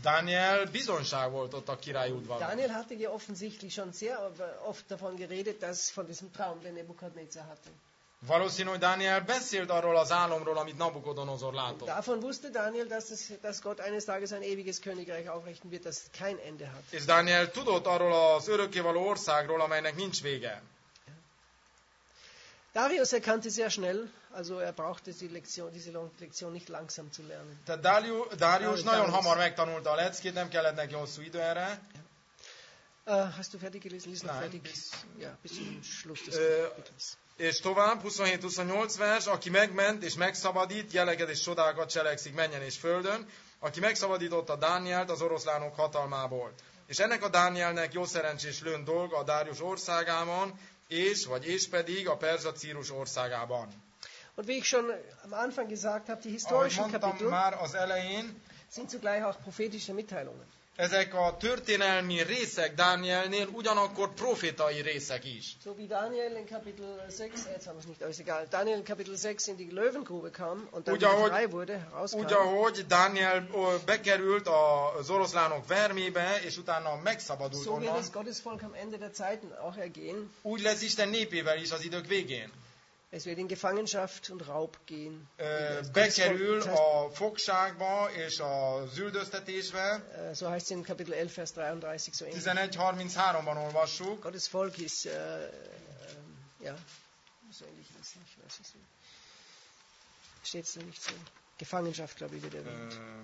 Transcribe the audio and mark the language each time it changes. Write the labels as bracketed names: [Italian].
[Hungarian] Daniel bizonyság volt ott a király udvaron. [German] Daniel hatte ja offensichtlich schon sehr oft davon geredet, dass von diesem Traum, den Nebukadnezar hatte. [Hungarian] Valószínű, Daniel beszélt arról az álomról, amit Nabukodonozor látott. [German] Davon wusste Daniel, dass Gott eines Tages ein ewiges Königreich aufrichten wird, das kein Ende hat. [Hungarian] És Daniel tudott arról az örökkévaló országról, amelynek nincs vége. [German] Darius erkannte sehr schnell, also er brauchte diese Lektion nicht langsam zu lernen. [Hungarian] Tehát Darius nagyon hamar megtanulta a leckét, nem kellett neki hosszú idő erre. [German] Hast du fertig gelesen? Lies noch fertig. Bis zum Schluss des Kapitels. [Hungarian] És tovább, 27-28 vers, aki megment és megszabadít, jeleket és csodákat cselekszik mennyen és földön, aki megszabadította Dánielt az oroszlánok hatalmából. És ennek a Dánielnek jó szerencsés lőn dolga a Darius országában, és pedig a Perzsa Círus országában. [German] Und wie ich schon am Anfang gesagt habe, die historischen Kapitel [Hungarian] már az elején, [German] sind zugleich auch prophetische Mitteilungen. [Hungarian] Ezek a történelmi részek Dánielnél ugyanakkor profétai részek is. [German] So wie Daniel in Kapitel 6, jetzt haben wir es nicht, ist egal. Daniel in Kapitel 6 in die Löwengrube kam und dann frei wurde, rauskam. [Hungarian] Ugyahogy Daniel bekerült az oroszlánok vermébe, és utána megszabadult onnan. [German] So wird das Gottesvolk am Ende der Zeiten auch ergehen. [Hungarian] Úgy lesz Isten népével is az idők végén. [German] Es wird in Gefangenschaft und Raub gehen. [Hungarian] Bekerül a fogságba és a üldöztetésbe. [German] So heißt es in Kapitel 11, Vers 33, so ähnlich. [Hungarian] 11:33-ban olvassuk. [German] Gottes Volk ist, so ähnlich ist nicht, was ist es? Steht es nicht so? Gefangenschaft, glaube ich, wird erwähnt.